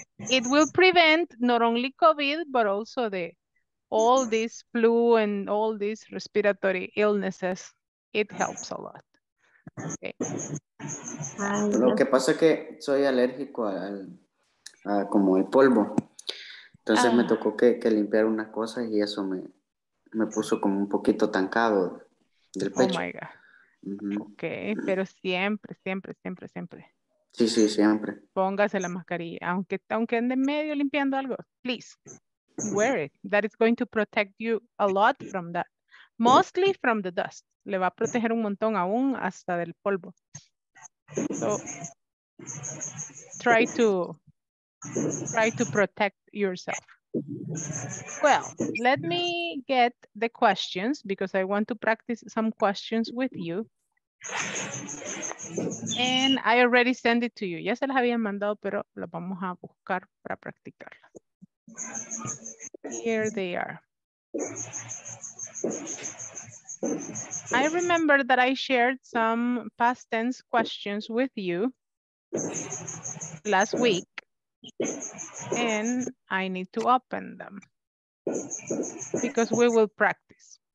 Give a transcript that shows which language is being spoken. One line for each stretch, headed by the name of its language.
English: It will prevent not only COVID, but also the all this flu and all these respiratory illnesses. It helps a lot.
Spanish: Lo que pasa es que soy alérgico a como el polvo. Entonces me Ah. tocó que limpiar unas cosas y eso me puso como un poquito tancado del Oh pecho.
English: my God. Okay,
Spanish: pero siempre, siempre, siempre, siempre. Sí, siempre. Póngase la mascarilla, aunque ande medio limpiando algo.
English: Please wear it. That is going to protect you a lot from that. Mostly from the dust.
Spanish: Le va a proteger un montón aún hasta del polvo.
English: So try to protect yourself. Well, let me get the questions because I want to practice some questions with you. And I already sent it to you.
Spanish: Ya se las había mandado, pero las vamos a buscar para practicarlas.
English: Here they are. I remember that I shared some past tense questions with you last week. And I need to open them because we will practice.